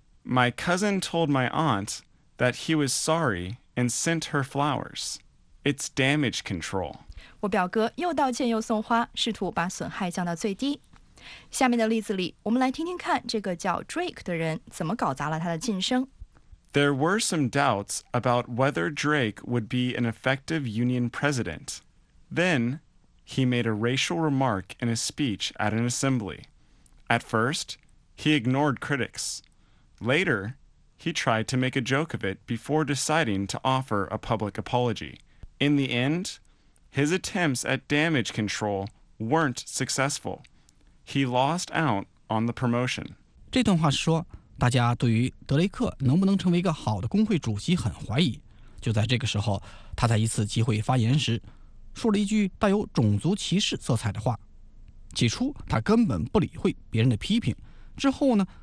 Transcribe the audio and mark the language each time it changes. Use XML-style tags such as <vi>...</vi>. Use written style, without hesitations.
<en>My cousin told my aunt that he was sorryand sent her flowers. It's damage control.</en> <zh>我表哥又道歉又送花，试图把损害降到最低。下面的例子里，我们来听听看这个叫 Drake 的人怎么搞砸了他的晋升。</zh> <en>There were some doubts about whether Drake would be an effective union president. Then, he made a racial remark in a speech at an assembly. At first, he ignored critics. Later,He tried to make a joke of it before deciding to offer a public apology. In the end, his attempts at damage control weren't successful. He lost out on the promotion.</en> <zh>这段话是说，大家对于德雷克能不能成为一个好的工会主席很怀疑。就在这个时候，他在一次集会发言时，说了一句带有种族歧视色彩的话。起初，他根本不理会别人的批评，之后呢？</zh>